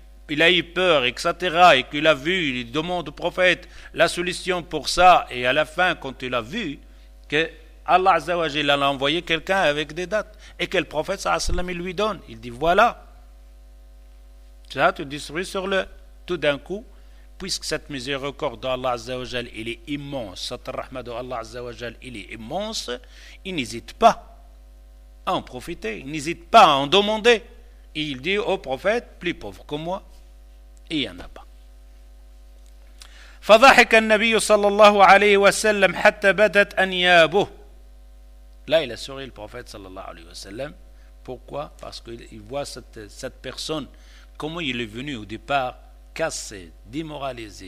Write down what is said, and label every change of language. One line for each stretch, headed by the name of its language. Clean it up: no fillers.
French: il a eu peur, etc., et qu'il a vu, il demande au prophète la solution pour ça, et à la fin, quand il a vu, que Allah Azza wa Jalla a envoyé quelqu'un avec des dates, et que le prophète sallallahu alayhi wa sallam lui donne, il dit voilà, ça tu distribues sur le, tout d'un coup, puisque cette miséricorde d'Allah Azza wa Jalla, il est immense, cette rahma d'Allah Azza wa Jalla, il est immense, il n'hésite pas à en profiter, il n'hésite pas à en demander. Et il dit au prophète, plus pauvre que moi, il n'y en a pas.
Arabic: فضحك النبي صلى الله عليه وسلم حتى بدت أنيابه.
French: Là, il a souri le prophète صلى الله عليه وسلم. Pourquoi? Parce qu'il voit cette personne, comment il est venu au départ, cassé, démoralisé.